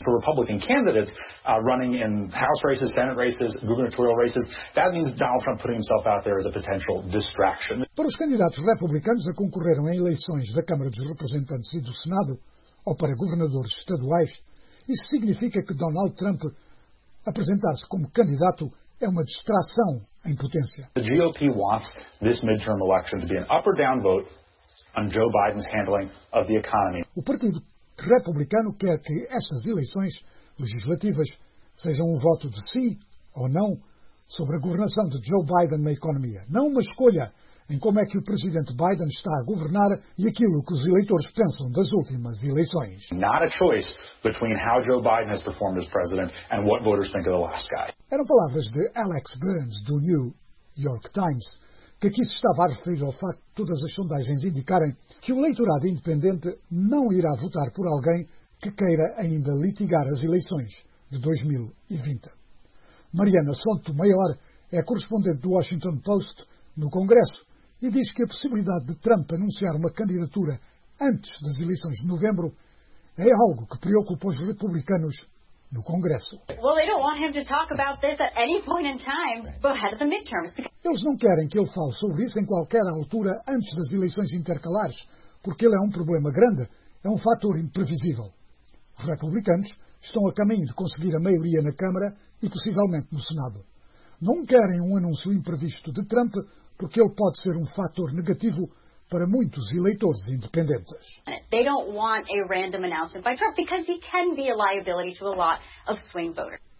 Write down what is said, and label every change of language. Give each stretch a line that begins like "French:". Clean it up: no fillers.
English: For Republican candidates running in House races, Senate races, gubernatorial races, that means Donald Trump putting himself out there as a potential distraction.
Portuguese: Para os candidatos republicanos a concorreram em eleições da Câmara dos Representantes e do Senado, ou para governadores estaduais, isso significa que Donald Trump apresentar-se como candidato é uma distração em potência.
English: The GOP wants this midterm election to be an up or down vote on Joe Biden's handling of the economy.
Portuguese: O Partido Republicano quer que estas eleições legislativas sejam um voto de sim ou não sobre a governação de Joe Biden na economia. Não uma escolha em como é que o presidente Biden está a governar e aquilo que os eleitores pensam das últimas eleições.
English: Not a choice between how Joe Biden has performed as president and what voters think of the last guy.
Portuguese: Eram palavras de Alex Burns, do New York Times, que aqui se estava a referir ao facto de todas as sondagens indicarem que o eleitorado independente não irá votar por alguém que queira ainda litigar as eleições de 2020. Mariana Sotomayor é correspondente do Washington Post no Congresso e diz que a possibilidade de Trump anunciar uma candidatura antes das eleições de novembro é algo que preocupa os republicanos no Congresso. Eles não querem que ele fale sobre isso em qualquer altura antes das eleições intercalares, porque ele é um problema grande, é um fator imprevisível. Os republicanos estão a caminho de conseguir a maioria na Câmara e possivelmente no Senado. Não querem um anúncio imprevisto de Trump, porque ele pode ser um fator negativo para muitos eleitores independentes.
English: They don't want a random announcement by Trump because he can be a liability to a lot of swing voters.